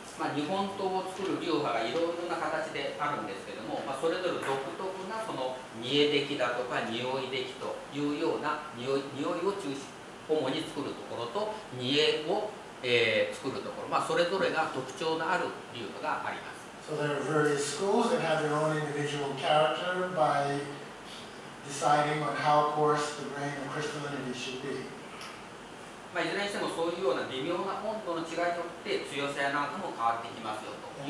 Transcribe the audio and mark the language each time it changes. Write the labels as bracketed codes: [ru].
[ja] まあ、日本刀を作る流派がいろいろな形であるんですけども、まあ、それぞれ独特なその煮え出来だとか匂い出来というような匂いを中心主に作るところと煮えを、作るところ、まあ、それぞれが特徴のある流派があります。 [en] So there are various schools that have their own individual character by deciding on how coarse the grain of crystallinity should be。 [ja] まあ、いずれにしてもそういうような微妙な温度の違いによって強さやなんかも変わってきますよと。